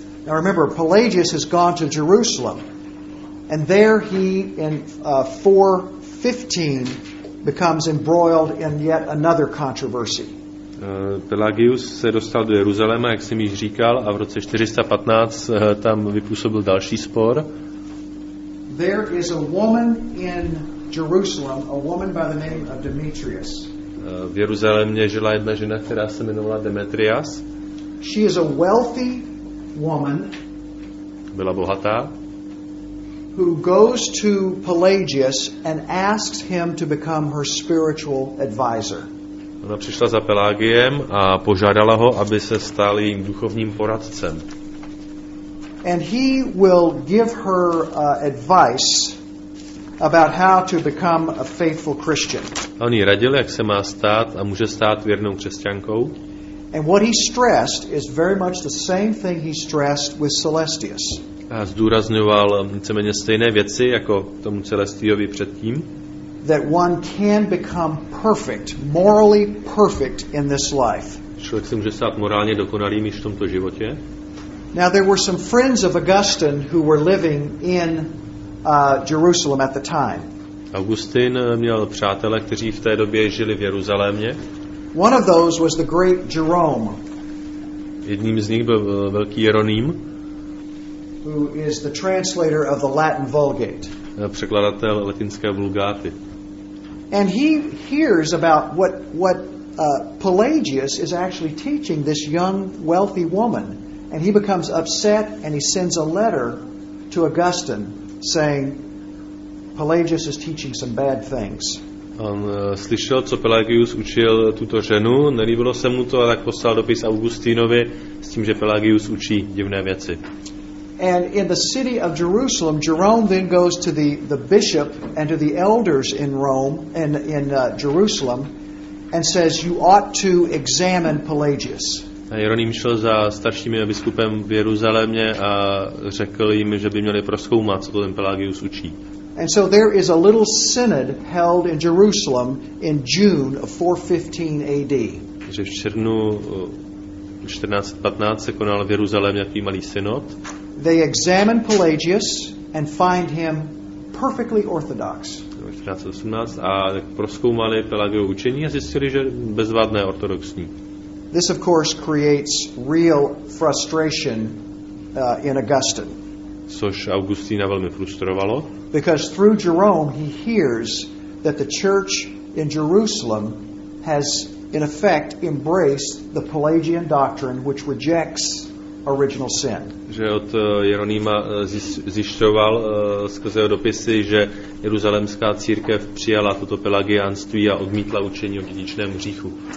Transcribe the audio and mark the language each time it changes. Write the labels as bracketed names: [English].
[English] Now remember, Pelagius has gone to Jerusalem. And there he, in 415, becomes embroiled in yet another controversy. [Czech] Pelagius se dostal do Jeruzaléma, jak jsem již říkal, a v roce 415 tam vypůsobil další spor. [English] There is a woman in Jerusalem, a woman by the name of Demetrius. [Czech] V Jeruzalémě žila jedna žena, která se jmenovala Demetrias. [English] She is a wealthy woman. [Czech] Byla bohatá. [English] Who goes to Pelagius and asks him to become her spiritual advisor. [Czech] Ona přišla za Pelagiem a požádala ho, aby se stal jejím duchovním poradcem. [English] And he will give her advice about how to become a faithful Christian. [Czech] On jí radil, jak se má stát a může stát věrnou křesťankou. [English] And what he stressed is very much the same thing he stressed with Celestius. [Czech] A zdůrazňoval víceméně stejné věci jako tomu Celestiovi předtím. [English] That one can become perfect, morally perfect in this life. [Czech] Člověk se může stát morálně dokonalým již v tomto životě. [English] Now there were some friends of Augustine who were living in Jerusalem at the time. [Czech] Augustin měl přátele, kteří v té době žili v Jeruzalémě. [English] One of those was the great Jerome. [Czech] Jedním z nich byl velký Jeroným. [English] Who is the translator of the Latin Vulgate? [Czech] Překladatel latinské Vulgáty. [English] And he hears about what Pelagius is actually teaching this young wealthy woman, and he becomes upset and he sends a letter to Augustine saying Pelagius is teaching some bad things. [Czech] On slyšel, co Pelagius učil tuto ženu, nelíbilo se mu to, a tak poslal dopis Augustinovi s tím, že Pelagius učí divné věci. [English] And in the city of Jerusalem, Jerome then goes to the bishop and to the elders in Rome and in Jerusalem and says, you ought to examine Pelagius. [Czech] Jeroným šel za staršími biskupem v Jeruzalémě a řekl jim, že by měli prozkoumat, co to ten Pelagius učí. [English] And so there is a little synod held in Jerusalem in June of 415 AD. [Czech] Takže v červnu 1415 se konal v Jeruzalémě takový malý synod. [English] They examine Pelagius and find him perfectly orthodox. [Czech] 1418 a tak prozkoumali Pelagiovo učení a zjistili, že bezvadné ortodoxní. [English] This of course creates real frustration in Augustine. [Czech] Což Augustína velmi frustrovalo. [English] Because through Jerome he hears that the church in Jerusalem has in effect embraced the Pelagian doctrine which rejects original sin. [Czech] Že od Jeronýma zjišťoval skrze jeho dopisy, že jeruzalemská církev přijala toto pelagianství a odmítla učení o dědičném hříchu.